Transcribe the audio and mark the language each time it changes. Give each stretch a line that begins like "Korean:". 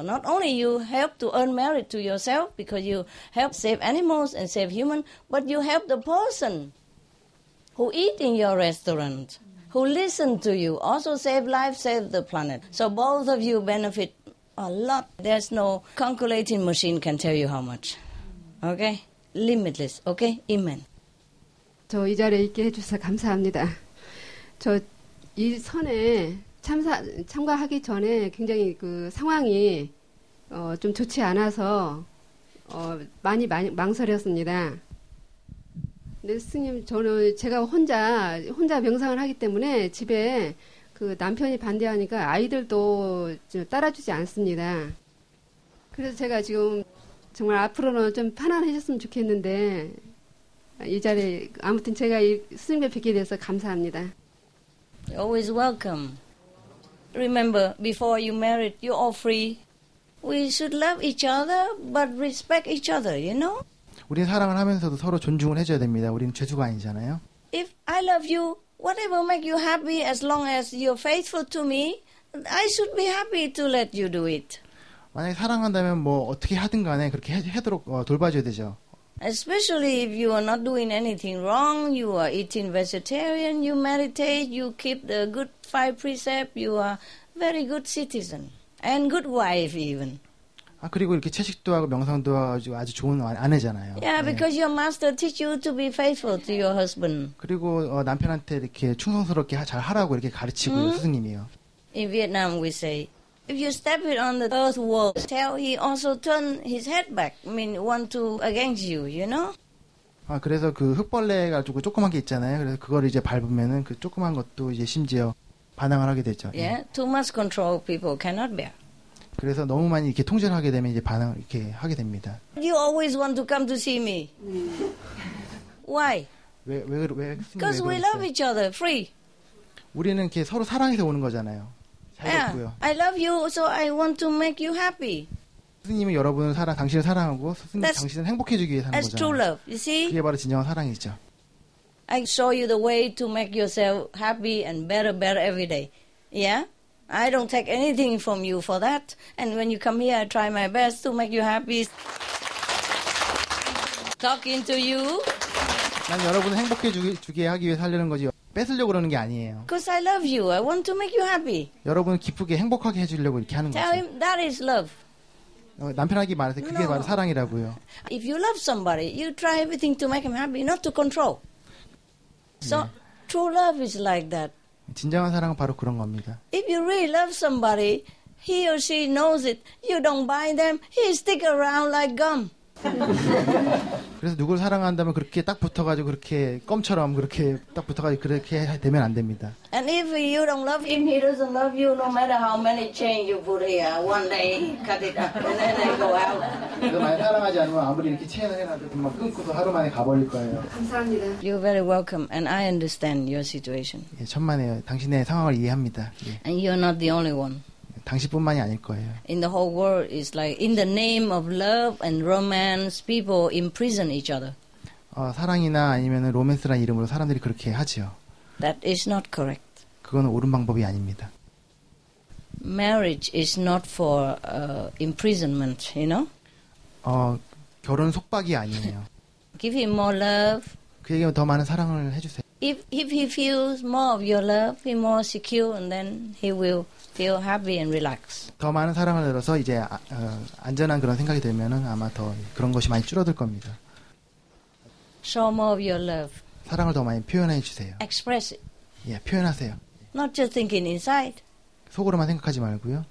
English: Not only you help to earn merit to yourself because you help save animals and save humans, but you help the person who eat in your restaurant, who listen to you, also save life, save the planet. So both of you benefit a lot. There's no calculating machine can tell you how much. Okay? Limitless. Okay? Amen.
Korean: 저 이 자리에 있게 해주셔서 감사합니다. 저 이 선에 참가하기 전에 굉장히 그 상황이 좀 좋지 않아서 많이 망설였습니다. 네, 스님, 저는 제가 혼자 명상을 하기 때문에 집에 그 남편이 반대하니까 아이들도 좀 따라주지 않습니다. 그래서 제가 지금 정말 앞으로는 좀 편안해졌으면 좋겠는데 이 자리에 아무튼 제가 이 스님을 뵙게 돼서 감사합니다.
English: Always welcome. Remember, before you married, you're all free. We should love each other, but respect each other, you know?
Korean: 우리 사랑을 하면서도 서로 존중을 해줘야 됩니다. 우리는 죄수가 아니잖아요.
English: If I love you, whatever make you happy, as long as you're faithful to me, I should be happy to let you do it.
Korean: 만약에 사랑한다면 뭐 어떻게 하든 간에 그렇게 하도록 돌봐줘야 되죠.
English: Especially if you are not doing anything wrong, you are eating vegetarian, you meditate, you keep the good five precepts, you are very good citizen and good wife even.
Korean: 아 그리고 이렇게 채식도 하고 명상도 하고 아주 좋은 아내잖아요.
English: Yeah, because 네. Your master teach you to be faithful to your husband.
Korean: 그리고 남편한테 이렇게 충성스럽게 잘 하라고 이렇게 가르치고 있는 스승님이요.
English: In Vietnam, we say. If you step it on the earth wall, tell he also turn his head back. I mean, one, two against you, you know?
Korean: 아, 그래서 그 흙벌레가 조금 조그만 게 있잖아요. 그래서 그걸 이제 밟으면은 그 조그만 것도 이제 심지어 반항을 하게 되죠.
English: Yeah, 예. Too much control people cannot bear.
Korean: 그래서 너무 많이 이렇게 통제를 하게 되면 이제 반항을 이렇게 하게 됩니다.
English: You always want to come to see me. Why?
Korean: 왜
English: Because we love each other, free.
Korean: 우리는 이렇게 서로 사랑해서 오는 거잖아요.
English: Yeah, I love you, so I want to make you happy.
Korean: 스님이 여러분을 사랑, 당신을 사랑하고 스님 당신을 행복해지기 위해 사는 거잖아요.
English: That's true love, you see?
Korean: 그게 바로 진정한 사랑이죠.
English: I show you the way to make yourself happy and better, better every day. Yeah? I don't take anything from you for that. And when you come here, I try my best to make you happy. Talking to you.
Korean: 난 여러분을 행복해지게 하기 위해 살려는 거지. 뺏으려고 그러는 게 아니에요.
English: Because I love you. I want to make you happy.
Korean: 여러분을 기쁘게 행복하게 해주려고 이렇게 하는 거죠.
English: Tell him that is love.
Korean: 남편에게 말해서 그게 no. 바로 사랑이라고요.
English: If you love somebody, you try everything to make him happy, not to control. So 네. true love is like that.
Korean: 진정한 사랑은 바로 그런 겁니다.
English: If you really love somebody, he or she knows it. You don't buy them. He stick around like gum.
Korean: 그래서 누굴 사랑한다면 그렇게 딱 붙어가지고 그렇게 껌처럼 그렇게 딱 붙어가지고 그렇게 되면 안 됩니다.
English: And if you don't love him, he doesn't love you. No matter how many chains you put here, one day cut it up and then I go out.
Korean: 만약 사랑하지 않으면 아무리 이렇게 체인을 해놔도 막 끊고서 하루 만에 가버릴 거예요. 감사합니다.
English: You're very welcome, and I understand your situation.
Korean: 예, 천만에요. 당신의 상황을 이해합니다. 예.
English: And you're not the only one.
Korean: 당신뿐만이 아닐 거예요.
English: In the whole world, it's like in the name of love and romance, people imprison each other.
Korean: 사랑이나 아니면은 로맨스란 이름으로 사람들이 그렇게 하지요.
English: That is not correct.
Korean: 그건 옳은 방법이 아닙니다.
English: Marriage is not for imprisonment, you know.
Korean: 결혼 속박이 아니에요.
English: Give him more love.
Korean: 그에게 더 많은 사랑을 해주세요.
English: If he feels more of your love, he more secure, and then he will. Feel happy and relaxed.
Korean: 더 많은 사랑을 들어서 이제 안전한 그런 생각이 들면은 아마 더 그런 것이 많이 줄어들 겁니다.
English: Show more of your love.
Korean: 사랑을 더 많이 표현해 주세요.
English: Express it.
Korean: 예, 표현하세요. Not just thinking inside. 속으로만 생각하지 말고요.